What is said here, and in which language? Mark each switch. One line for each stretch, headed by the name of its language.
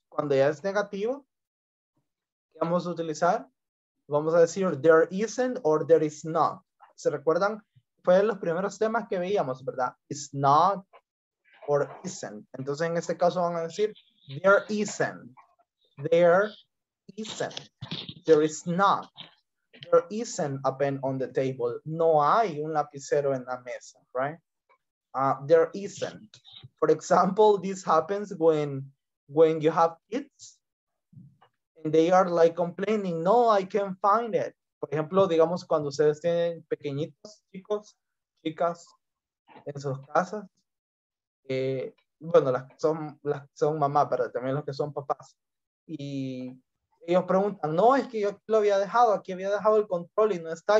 Spanish: Cuando ya es negativo, ¿qué vamos a utilizar? Vamos a decir
English: there isn't or there is not.
Spanish: ¿Se recuerdan? Fue de los primeros temas que veíamos, ¿verdad?
English: Is not or isn't.
Spanish: Entonces en este caso van a decir
English: there isn't. There isn't. There is not. There isn't a pen on the table.
Spanish: No hay un lapicero en la mesa,
English: right? There isn't. For example, this happens when you have kids and they are like complaining, no, I can't find it.
Spanish: Por ejemplo, digamos cuando ustedes tienen pequeñitos, chicos, chicas, en sus casas. Bueno, las que son mamás, pero también los que son papás. Y ellos preguntan, no, es que yo aquí lo había dejado, aquí había dejado el control y no está.